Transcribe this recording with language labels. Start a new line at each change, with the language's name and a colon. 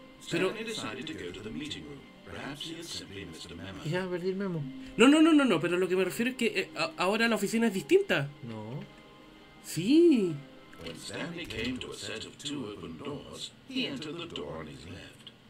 English: Pero Stanley decided to go to the meeting room. Perhaps he had simply missed a memo.
Spanish: Ya, perdí el memo. No, pero lo que me refiero es que ahora la oficina es distinta. No. Sí.
English: When Stanley came to a set of two open doors, he entered the door on his left.